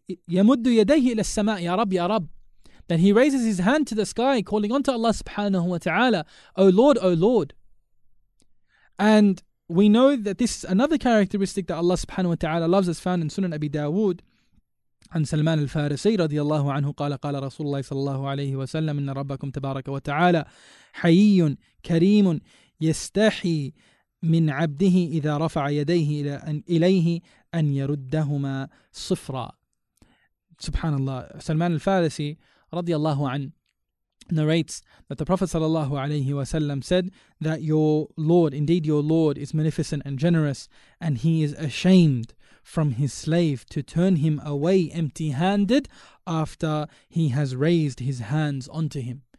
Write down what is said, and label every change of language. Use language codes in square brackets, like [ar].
[ar] يَمُدُّ يَدَيْهِ إِلَى السَّمَاءِ يَا رَبْ [en] يَا رَبْ, that he raises his hand to the sky, calling on to Allah subhanahu wa ta'ala, O Lord, O Lord. And we know that this is another characteristic that Allah subhanahu wa ta'ala loves, as found in Sunan Abi Dawood. [ar] عن سلمان الفارسي رضي الله عنه قال قال رسول الله صلى الله عليه وسلم إن ربكم تبارك وتعالى حيي كريم يستحي من عبده إذا رفع يديه إلى أن إليه أن يردهما صفرا. سبحان الله. [en] سلمان الفارسي رضي الله عنه narrates that the Prophet صلى الله عليه وسلم said that your Lord, indeed your Lord, is magnificent and generous, and he is ashamed from his slave to turn him away empty-handed after he has raised his hands onto him.